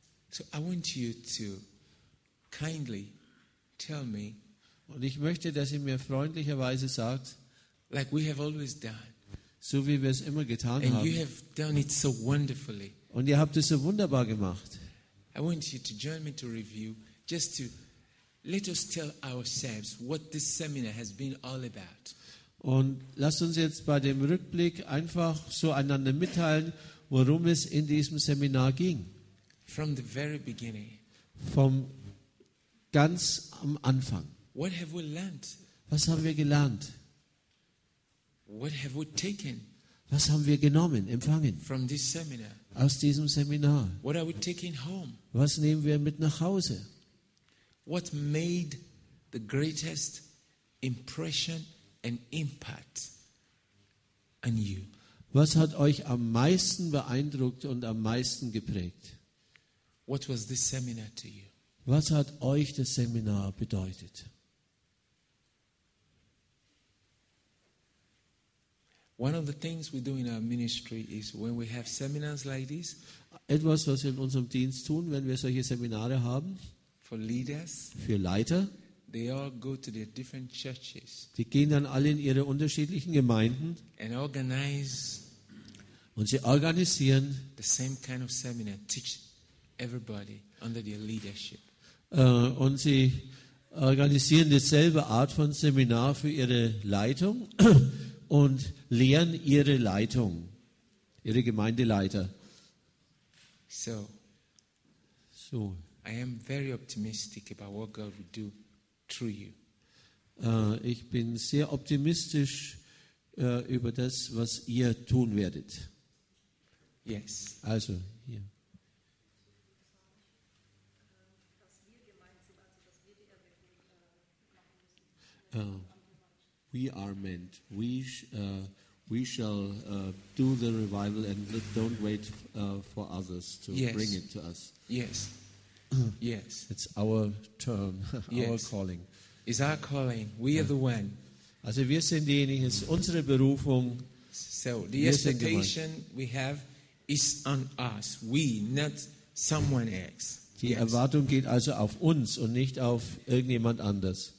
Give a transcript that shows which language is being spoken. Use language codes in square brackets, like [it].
[en] So I want you to kindly tell me. [de] Und ich möchte, dass ihr mir freundlicherweise sagt, [en] like we have always done. [de] So wie wir es immer getan [en] and [de] haben. [en] And you have done it so wonderfully. [de] Und ihr habt es so wunderbar gemacht. [en] I want you to join me to review, just to let us tell ourselves what this seminar has been all about. [de] Und lasst uns jetzt bei dem Rückblick einfach so einander mitteilen, worum es in diesem Seminar ging. [en] From the very beginning. [de] Vom ganz am Anfang. [en] What have we learned? [de] Was haben wir gelernt? [en] What have we taken? [de] Was haben wir genommen, empfangen? [en] From this seminar. [de] Aus diesem Seminar. [en] What are we taking home? [de] Was nehmen wir mit nach Hause? [en] What made the greatest impression and impact on you? [de] Was hat euch am meisten beeindruckt und am meisten geprägt? [en] What was this seminar to you? [de] Was hat euch das Seminar bedeutet? [en] One of the things we do in our ministry is when we have seminars like this. [de] Etwas, was wir in unserem Dienst tun, wenn wir solche Seminare haben. [en] For leaders. [de] Für Leiter. [en] They all go to their different churches. [de] Die gehen dann alle in ihre unterschiedlichen Gemeinden. [en] And organize. [de] Und sie organisieren. [en] The same kind of seminar, teach everybody under their leadership. [de] Und sie organisieren dieselbe Art von Seminar für ihre Leitung. Und lehren ihre Leitung, ihre Gemeindeleiter. [en] So. I am very optimistic about what God will do through you. [de] Ich bin sehr optimistisch über das, was ihr tun werdet. [en] Yes. [de] Also hier. [en] We are meant. We shall do the revival and don't wait for others to yes. bring it to us. Yes. Yes. It's our turn. Yes. Our calling. It's our calling. We are the one. [de] Also wir sind diejenigen. Es ist unsere Berufung. [en] So the expectation we have is on us. We, not someone else. [de] Die yes. Erwartung geht also auf uns und nicht auf irgendjemand anders.